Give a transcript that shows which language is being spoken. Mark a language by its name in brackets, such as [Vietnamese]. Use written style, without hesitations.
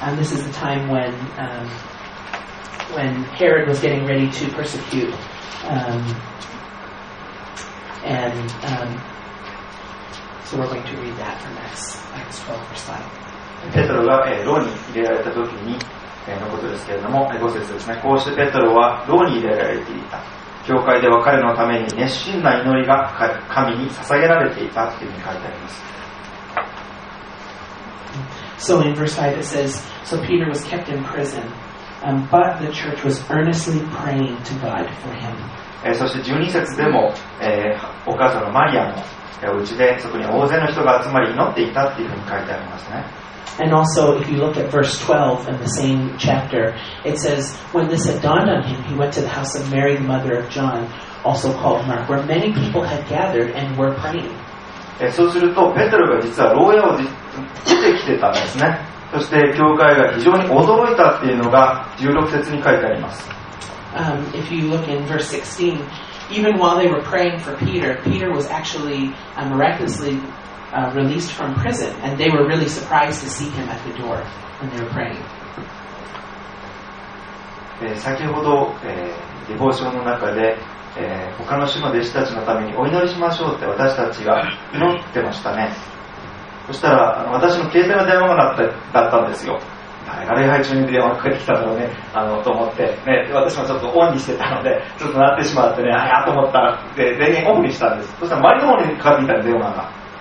[English] And this is the time when Herod was getting ready to persecute so we're going to read that from Acts 12 verse 5. [Japanese] ペトロが牢に入れられた時に、のことですけれども、5節ですね。こうしてペトロは牢に入れられていた。教会では彼のために熱心な祈りが神に捧げられていたというふうに書いてあります。 [English] So in verse 5 it says, So Peter was kept in prison, but the church was earnestly praying to God for him. [Japanese] そして12節でも、お母さんのマリアのお家でそこに大勢の人が集まり祈っていたっていうふうに書いてありますね。 [English] And also, if you look at verse 12 in the same chapter, it says, When this had dawned on him, he went to the house of Mary, the mother of John, also called Mark, where many people had gathered and were praying. [Japanese] そうすると、ペトロが実は牢屋を出てきてたんですね。そして教会が非常に驚いたっていうのが16節に書いてあります。 [English] If you look in verse 16, even while they were praying for Peter, Peter was actually miraculously released from prison, and they were really surprised to see him at the door when they were praying. [Japanese] 先ほど、デボーションの中で、他の主の弟子たちのためにお祈りしましょうって私たちが祈ってましたね。そしたら私の携帯の電話が鳴ったんですよ。誰が礼拝中に電話かけてきたんだろうね、あのと思って、ね、私もちょっとオンにしてたので、ちょっと鳴ってしまってね、あやと思ったら、で、電源オフにしたんです。そしたらマリの方にかかってきた電話が。